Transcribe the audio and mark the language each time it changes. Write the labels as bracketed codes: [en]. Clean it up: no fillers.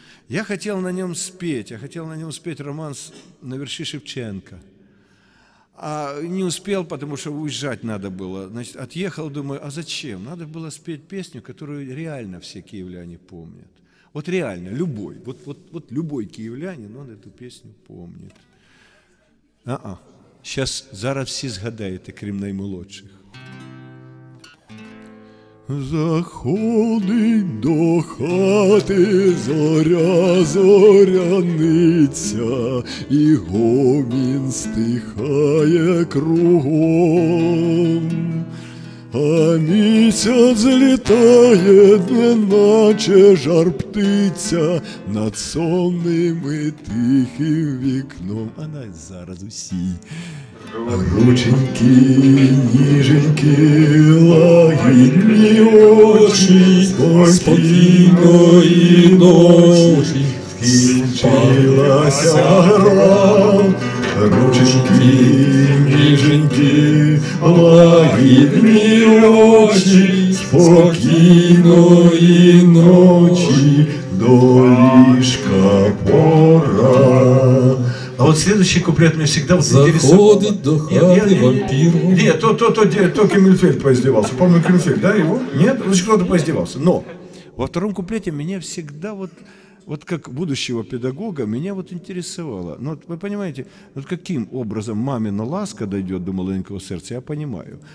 [ru] Я хотел на нем спеть романс «Наверши Шевченко». А не успел, потому что уезжать надо было. Значит, отъехал, думаю, а зачем? Надо было спеть песню, которую реально все киевляне помнят. Вот реально, любой. Вот любой киевлянин, он эту песню помнит. Сейчас, [uk] зараз все згадаете, крім наймолодших. Заходить до хати зоря-зоряниця, і гомін стихає кругом. А місяць злітає, неначе жар птиця, над сонним і тихим вікном. А навіть зараз усі. Рученьки, ніженьки, лагідні очі, спокійної ночі, скінчилася гра. Рученьки, ніженьки, лагідні очі, спокійної ночі, до ліжка пора. [ru] А вот следующий куплет мне всегда заходит до хаты вампир. Нет, то Кимельфельд поиздевался. Помню Кимельфельд, да, его? Нет? Значит, кто-то поиздевался. Но во втором куплете меня всегда вот как будущего педагога, меня вот интересовало. Ну, вот вы понимаете, вот каким образом мамина ласка дойдет до маленького сердца, я понимаю.